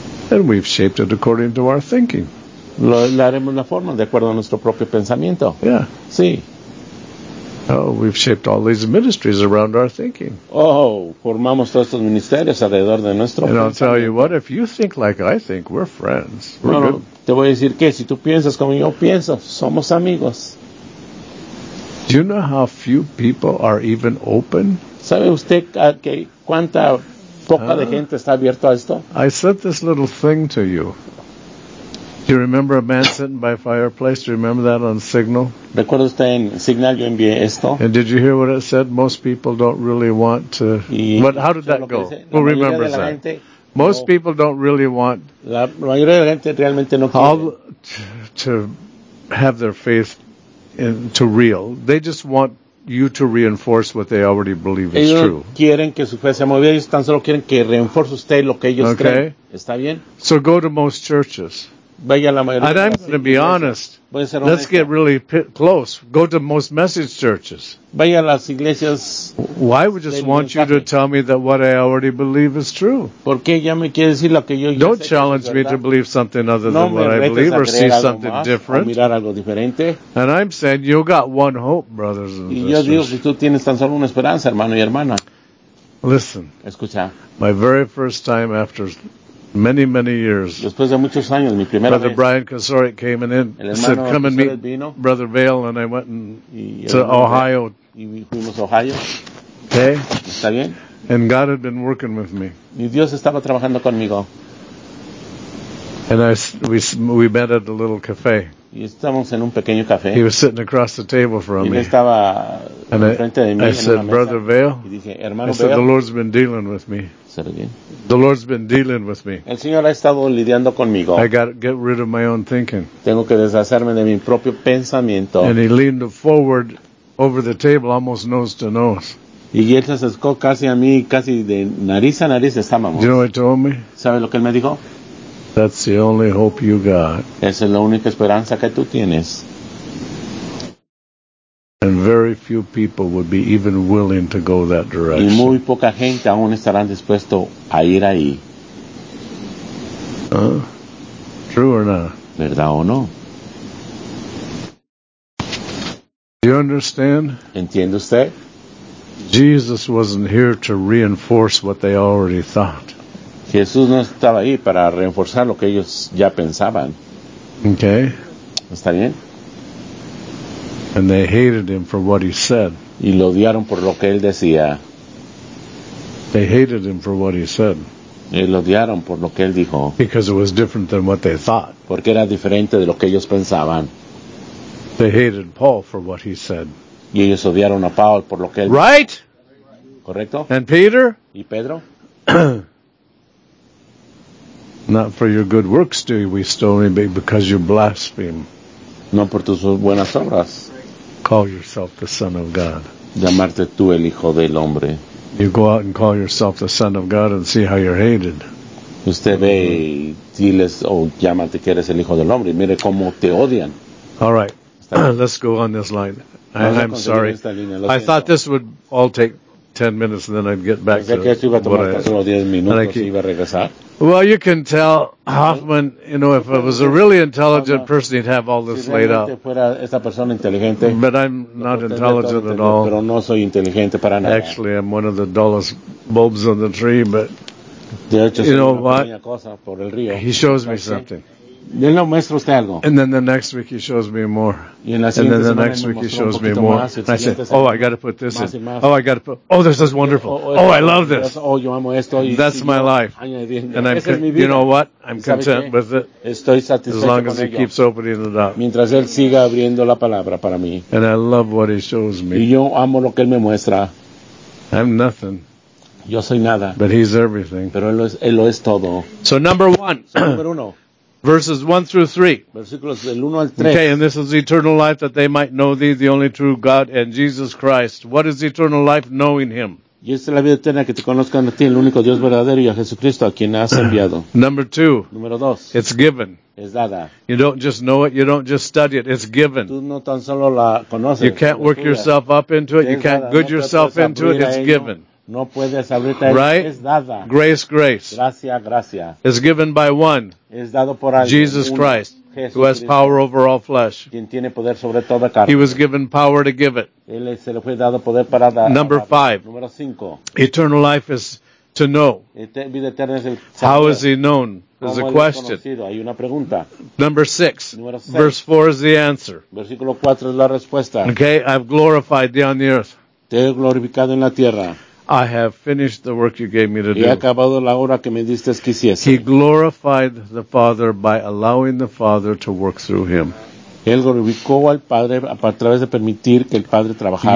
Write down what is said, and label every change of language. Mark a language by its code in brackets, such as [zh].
[en] And we've shaped it according to our thinking. [es] Lo haremos la forma de acuerdo a nuestro propio pensamiento. [en] Yeah. [es] Sí. [en] Oh, we've shaped all these ministries around our thinking. [es] Oh, formamos todos estos ministerios alrededor de nuestro [en] and And I'll tell you what, if you think like I think, we're friends. We're [es] bueno, [en] good. [es] Te voy a decir que si tú piensas como yo pienso, somos amigos. [en] Do you know how few people are even open? [es] ¿Sabe usted que cuánta poca de gente está abierto a esto? [en] I said this little thing to you. Do you remember a man sitting by fireplace? Do you remember that on Signal? [es] ¿Recuerda usted en Signal yo envié esto? [en] And did you hear what it said? Most people don't really want to... But how did that go? Who remembers that? Most people don't really want... [es] La mayoría de la gente realmente no quiere... [en] To have their faith into real. They just want you to reinforce what they already believe is [es] ellos [en] true. [es] Ellos quieren que su fe sea movida. Ellos tan solo quieren que reinforce usted lo que ellos [en] okay. [es] creen. ¿Está bien? [en] So go to most churches. And I'm going to be honest. Let's get really close. Go to most message churches. [es] Vaya a las iglesias. [en] Why would just want you to tell me that what I already believe is true? [es] Porque ya me quiere decir lo que yo [en] don't challenge me to believe something other than [es] no [en] what I believe or see something [es] más, [en] different. [es] O mirar algo diferente. [en] And I'm saying you got one hope, brothers and sisters. [es] Y yo digo que tú tienes tan solo una esperanza, hermano y hermana. [en] Listen. [es] Escucha. [en] My very first time after many, many years. [es] Después de muchos años, mi primera [en] Brother [es] vez, [en] Brian Kosorik came in and said, come and meet [es] vino. [en] Brother Vale, and I went and to Ohio. Ohio. Okay? [es] ¿Está bien? [en] And God had been working with me. [es] Y Dios estaba trabajando conmigo. [en] And we met at a little cafe. [es] Y estamos en un pequeño café. [en] He was sitting across the table from [es] y estaba [en] me. [es] And enfrente de mí [en] I [es] en [en] said, Brother [es] mesa. [en] Vale, [es] y dije, hermano [en] I said, [es] Vale, [en] the Lord's been dealing with me. The Lord's been dealing with me. [es] El Señor ha estado lidiando conmigo. [en] I got to get rid of my own thinking. [es] Tengo que deshacerme de mi propio pensamiento. [en] And he leaned forward over the table, almost nose to nose. [es] Y él se acercó casi a mí, casi de nariz a nariz estábamos. [en] You know what he told me? [es] ¿Sabe lo que él me dijo? [en] That's the only hope you got. [es] Esa es la única esperanza que tú tienes. [en] And very few people would be even willing to go that direction. [es] Y muy poca gente aún estarán dispuesto a ir ahí. [en] True or not? [es] ¿Verdad o no? [en] Do you understand? [es] ¿Entiende usted? [en] Jesus wasn't here to reinforce what they already thought. [es] Jesús no estaba ahí para reforzar lo que ellos ya pensaban. [en] Okay. [es] ¿Está bien? [en] And they hated him for what he said. [es] Y lo odiaron por lo que él decía. [en] They hated him for what he said. [es] Y lo odiaron por lo que él dijo. [en] Because it was different than what they thought. [es] Porque era diferente de lo que ellos pensaban. [en] They hated Paul for what he said. [es] Y ellos odiaron a Paul por lo que él dijo. [en] Right? [es] ¿Correcto? [en] And Peter? [es] ¿Y Pedro? [en] Not for your good works do we stone him, but because you blaspheme. [es] No por tus buenas obras. [en] Call yourself the Son of God. [es] Llamarte tú el Hijo del Hombre. [en] You go out and call yourself the Son of God and see how you're hated. [es] Usted ve y diles, llámate que eres el Hijo del Hombre y mire cómo te odian. [en] All right, let's go on this line. I'm sorry. I thought this would all take 10 minutes and then I'd get back well, you can tell Hoffman, you know, if it was a really intelligent person, he'd have all this laid out. But I'm not intelligent at all. Actually, I'm one of the dullest bulbs on the tree, but you know what? He shows me something. [es] Él no muestra usted algo. [en] And then the next week he shows me more. [es] Y en la siguiente semana me muestra un poquito más. [en] And I said, oh, I got to put this in. Oh, I got to put. Oh, this is wonderful. Oh, I love this. [es] Oh, yo amo esto. [en] That's my life. And I'm, you know what? I'm content with it. [es] Estoy satisfecho. [en] As long as he keeps opening it up. [es] Mientras él siga abriendo la palabra para mí. [en] And I love what he shows me. [es] Y yo amo lo que él me muestra. [en] I'm nothing. [es] Yo soy nada. [en] But he's everything. [es] Pero él lo es todo. [en] So number one. Verses 1 through 3. [es] Versículos del 1 al 3. [en] Okay, and this is eternal life, that they might know thee, the only true God, and Jesus Christ. What is eternal life? Knowing him. [es] Y esta es la vida eterna, que te conozcan a ti, el único Dios verdadero, y a Jesucristo, a quien has enviado. [en] Number 2. [es] Número 2. [en] It's given. [es] Es dada. [en] You don't just know it, you don't just study it, it's given. [es] Tú no tan solo la conoces. [en] You can't work yourself up into it, you can't good yourself into it, it's given. [es] No puedes abrirte, [en] right? [es] Es dada. [en] Grace, grace. [es] Gracia, gracia. [en] Is given by one. [es] Es dado por alguien, [en] Jesus Christ, [es] Jesús, [en] who has power over all flesh. [es] Quien tiene poder sobre toda carne. [en] He was given power to give it. [es] Él se le fue dado poder para dar. [en] Number five. [es] Número cinco. [en] Eternal life is to know. [es] Vida eterna es el saber. [en] How is he known? There's a question. [es] Hay una pregunta. [en] Number six. [es] Número seis. [en] Verse 4 is the answer. [es] Versículo 4 es la respuesta. [en] Okay, I've glorified thee on the earth. [es] Te he glorificado en la tierra. [en] I have finished the work you gave me to do. [es] He acabado la obra que me diste que hiciese. [en] He glorified the Father by allowing the Father to work through him. [es] Él glorificó al Padre a través de permitir que el Padre trabajara.